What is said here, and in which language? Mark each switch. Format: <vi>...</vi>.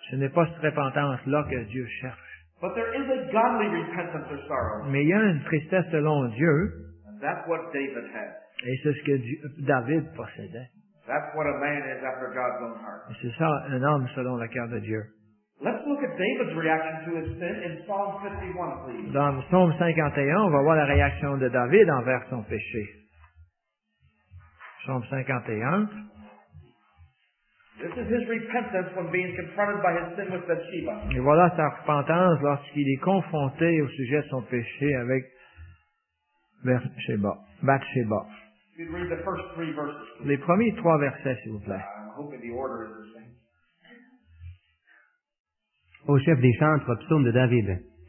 <fr>Ce n'est pas cette repentance-là que Dieu cherche.</fr> <en>But there is a godly repentance or sorrow.</en> <fr>Mais il y a une tristesse selon Dieu.</fr> <en>And that's what David had.</en> <fr>Et c'est ce que David possédait.</fr> <en>That's what a man is after God's own heart.</en> <fr>Et c'est ça un homme selon le cœur de Dieu.</fr> <en>Let's look at David's reaction to his sin in Psalm 51, please.</en> <fr>Dans Psaume 51, on va voir la réaction de David envers son péché. Psaume 51.</fr> <en>This is his repentance when being confronted by his sin with Bathsheba.</en> <fr>Et voilà sa repentance lorsqu'il est confronté au sujet de son péché avec Bathsheba.</fr> <en>You'd read the first three verses, please.</en> <fr>Les premiers trois versets, s'il vous plaît.</fr> <en>I'm hoping the order is the same.</en> <fr>Au chef des chantres, psaume de David.</fr>